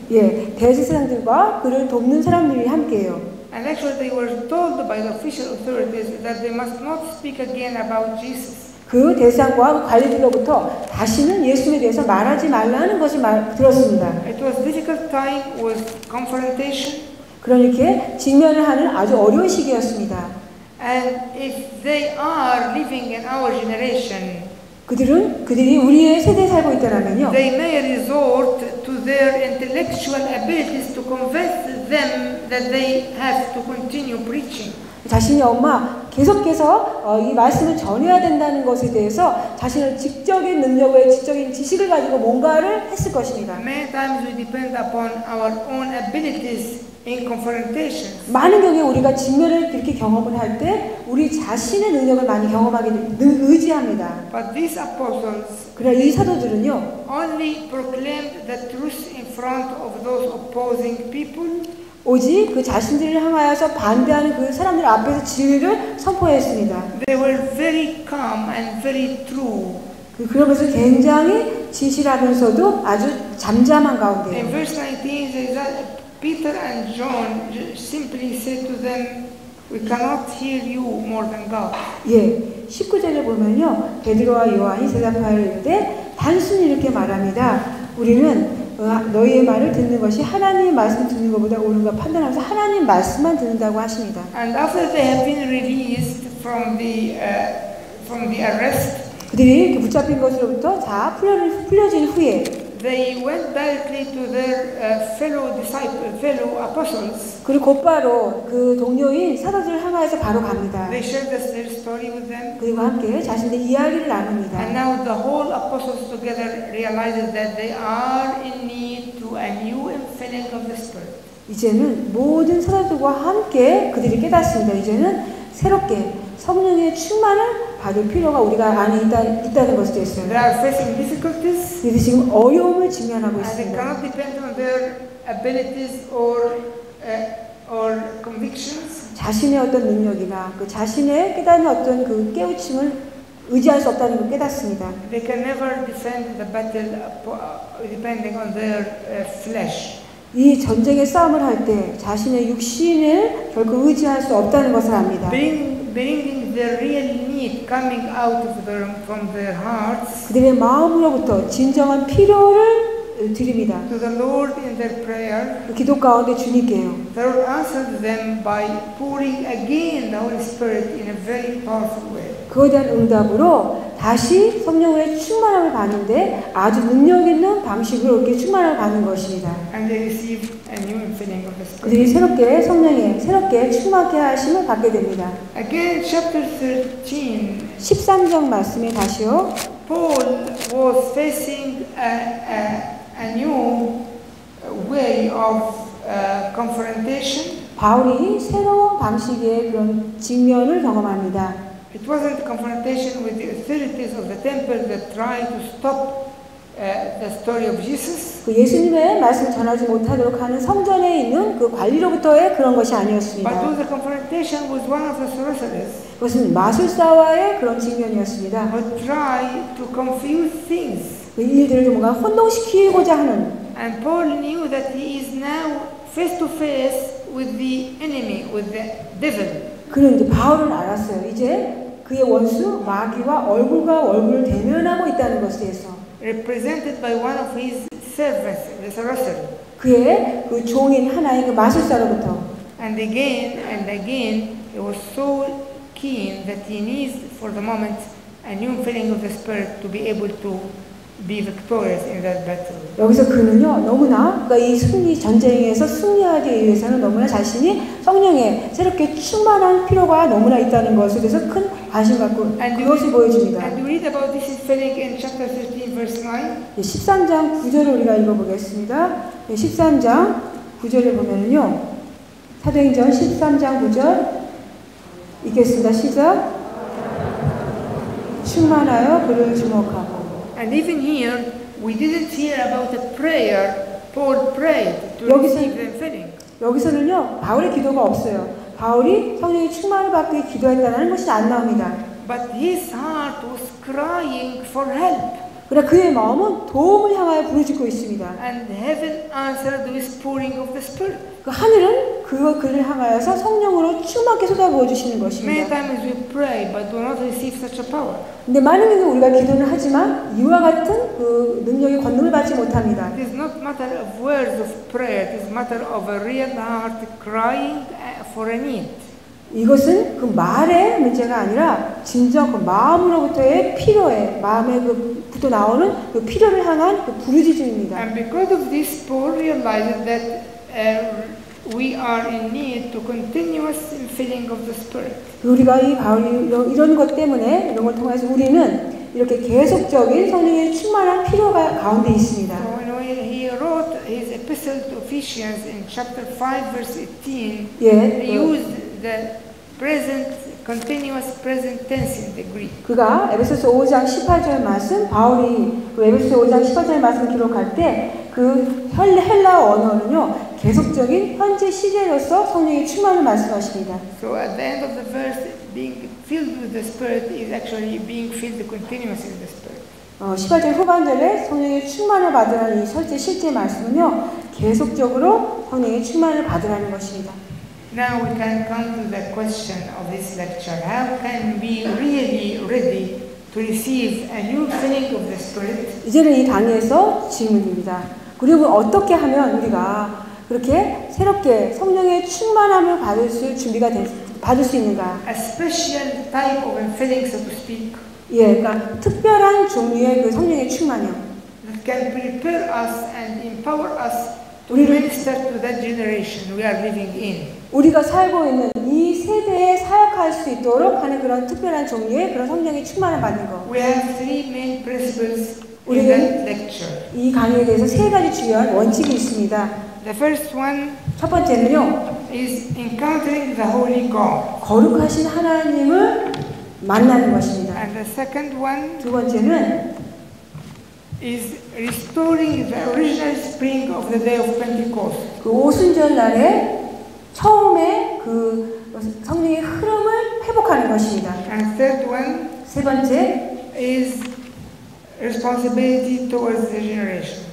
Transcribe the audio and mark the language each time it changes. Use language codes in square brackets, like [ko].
[ko] 예, 대제사장들과 그를 돕는 사람들이 함께요. [en] And actually, they were told by the official authorities that they must not speak again about Jesus. [ko] 그 대상과 관리들로부터 다시는 예수님에 대해서 말하지 말라는 것을 들었습니다. [en] It was difficult time with confrontation. [ko] 그러니까 직면을 하는 아주 어려운 시기였습니다. [en] And if they are living in our generation, [ko] 그들이 우리의 세대에 살고 있다라면요. [en] They may resort to their intellectual abilities to convince them that they have to continue preaching. [ko] 자신이 엄마 계속해서 이 말씀을 전해야 된다는 것에 대해서 자신의 직접적인 능력을 직접적인 지식을 가지고 뭔가를 했을 것입니다. [en] Many times we depend upon our own abilities in confrontation. [ko] 많은 경우에 우리가 직면을 이렇게 경험을 할 때 우리 자신의 능력을 많이 경험하게 늘 의지합니다. [en] But these apostles, [ko] 그러나 이 사도들은요, [en] only proclaimed the truth in front of those opposing people. [ko] 오직 그 자신들을 향하여서 반대하는 그 사람들 앞에서 진리를 선포했습니다. [en] They were very calm and very true. [ko] 그러면서 굉장히 진실하면서도 아주 잠잠한 가운데. [en] In verse 19, it says that Peter and John simply said to them, "We cannot hear you more than God." [ko] 예, 19절에 보면요, 베드로와 요한이 대답할 때 단순히 이렇게 말합니다. 우리는 너희의 말을 듣는 것이 하나님의 말씀 듣는 것보다 옳은가 판단하면서 하나님 말씀만 듣는다고 하십니다. [en] And after they have been released from the arrest, [ko] 그들이 이렇게 붙잡힌 것으로부터 다 풀려진 후에, [en] they went directly to their fellow apostles. [ko] 그리고 곧바로 그 동료인 사도들을 향해서 바로 갑니다. [en] They shared their story with them. [ko] 그리고 함께 자신들의 이야기를 나눕니다. [en] And now the whole apostles together realized that they are in need to a new infilling of the Spirit. [ko] 이제는 모든 사도들과 함께 그들이 깨닫습니다. 이제는 새롭게 성령의 충만을 받을 필요가 우리가 안에 있다는 것을 했어요. [en] They are facing difficulties. [ko] 그들이 지금 어려움을 직면하고 있습니다. [en] And they cannot depend on their abilities or convictions. [ko] 자신의 어떤 능력이나 그 자신의 깨달은 어떤 그 깨우침을 의지할 수 없다는 걸 깨닫습니다. [en] They can never defend the battle depending on their flesh. [ko] 이 전쟁의 싸움을 할 때 자신의 육신을 결코 의지할 수 없다는 것을 압니다. [en] Bringing their real need coming out of them from their hearts. [ko] 그들의 마음으로부터 진정한 필요를 드립니다. [en] To the Lord in their prayer. [ko] 기도 가운데 주님께요. [en] The Lord answered them by pouring again the Holy Spirit in a very powerful way. [ko] 그에 대한 응답으로 다시 성령의 충만함을 받는데 아주 능력 있는 방식으로 이렇게 충만함을 받는 것입니다. [en] And they receive a new infilling of the Spirit. [ko] 그들이 새롭게 성령에 새롭게 충만케 하심을 받게 됩니다. [en] Again, chapter 13. [ko] 13장 말씀에 다시요. [en] Paul was facing a new way of confrontation. [ko] 바울이 새로운 방식의 그런 직면을 경험합니다. [en] It wasn't a confrontation with the authorities of the temple that tried to stop the story of Jesus. [ko] 그 예수님의 말씀 전하지 못하도록 하는 성전에 있는 그 관리로부터의 그런 것이 아니었습니다. [en] But it was a confrontation with one of the sorcerers. [ko] 그것은 마술사와의 그런 직면이었습니다. [en] Who tried to confuse things. [ko] 그 일들을 뭔가 혼동시키고자 하는. [en] And Paul knew that he is now face to face with the enemy, with the devil. [ko] 그는 이제 바울을 알았어요. 이제 그의 원수 마귀와 얼굴과 얼굴을 대면하고 있다는 것에 대해서. [en] Represented by one of his servants, the sorcerer. [ko] 그의 그 종인 하나의 그 마술사로부터. [en] And again, he was so keen that he needs, for the moment, a new filling of the spirit to be able to be victorious in that battle. [ko] 여기서 그는요 너무나 그러니까 이 승리 전쟁에서 승리하기 위해서는 너무나 자신이 성령에 새롭게 충만한 필요가 너무나 있다는 것에 대해서 큰 관심 갖고 [en] and [ko] 그것이 보여집니다. [en] And we read about this in Philippians chapter 15, verse 9. [ko] 13장 9절을 우리가 읽어보겠습니다. 13장 9절을 보면은요 사도행전 13장 9절 읽겠습니다. 시작. 충만하여 그를 주목하고. [en] And even here, we didn't hear about the prayer Paul prayed to receive the filling. [ko] 여기서는요 바울의 기도가 없어요. 바울이 성령의 충만을 받기 위해 기도했다는 것이 안 나옵니다. [en] But his heart was crying for help. [ko] 그러나 그의 마음은 도움을 향하여 부르짖고 있습니다. [en] And heaven answered with pouring of the Spirit. [ko] 그 하늘은 그를 향하여서 성령으로 충만하게 쏟아부어 주시는 것입니다. [en] Many times we pray, but do not receive such a power. [ko] 근데 많은 경우 우리가 기도는 하지만 이와 같은 그 능력의 권능을 받지 못합니다. [en] It is not matter of words of prayer. It is matter of a real heart crying for a need. [ko] 이것은 그 말의 문제가 아니라 진정 그 마음으로부터의 필요에 마음의 그부터 나오는 그 필요를 향한 그 부르짖음입니다. [en] And because of this, Paul realized that we are in need to continuous filling of the Spirit. [ko] 우리가 이 바울이 이런 것 때문에 이런 걸 통해서 우리는 이렇게 계속적인 성령의 충만한 필요가 가운데 있습니다. [en] He wrote his epistle to Ephesians in chapter 5, verse 18. [ko] 예. [en] The present continuous present tense in the Greek. [ko] 그가 에베소서 5장 18절 말씀 바울이 그 에베소서 5장 18절 말씀 기록할 때 그 헬라 언어는요 계속적인 현재 시제로서 성령의 충만을 말씀하십니다. [en] So at the end of the verse, being filled with the Spirit is actually being filled continuously with the Spirit. [ko] 18절 후반절에 성령의 충만을 받으라는 이 현재 실제 말씀은요 계속적으로 성령의 충만을 받으라는 것입니다. [en] Now we can come to the question of this lecture. How can we really ready to receive a new filling of the Spirit? [ko] 이제는 이 강의에서 질문입니다. 그리고 어떻게 하면 우리가 그렇게 새롭게 성령의 충만함을 받을 수 준비가 받을 수 있는가? [en] A special type of filling, so to speak. [ko] 예, 그러니까 특별한 종류의 그 성령의 충만함. [en] That can prepare us and empower us to minister to that generation we are living in. [ko] 우리가 살고 있는 이 세대에 사역할 수 있도록 하는 그런 특별한 종류의 그런 성령의 충만을 받는 것. [en] We have three main principles in that lecture. [ko] 이 강의에 대해서 세 가지 중요한 원칙이 있습니다. [en] The first one [ko] 첫 번째는요. [en] is encountering the Holy God. [ko] 거룩하신 하나님을 만나는 것입니다. [en] And the second one [ko] 두 번째는 [en] is restoring the original spring of the day of Pentecost. [ko] 그 오순절 날에 처음에 그 성령의 흐름을 회복하는 것입니다. [en] And third one [ko] 세 번째 [en] is responsibility towards the generation.